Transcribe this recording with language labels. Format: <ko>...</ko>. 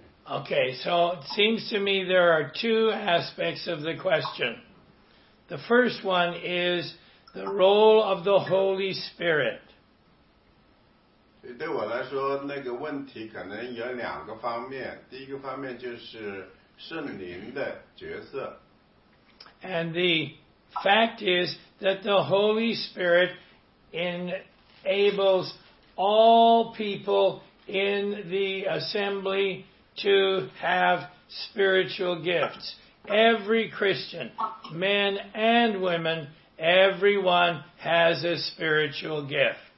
<en>Okay, so it seems to me there are two aspects of the question. The first one is the role of the Holy Spirit.</en> <zh>对我来说，那个问题可能有两个方面。第一个方面就是圣灵的角色。</zh> <en>And the fact is that the Holy Spirit enables all people in the assembly to have spiritual gifts. Every Christian, men and women, everyone has a spiritual gift.</en>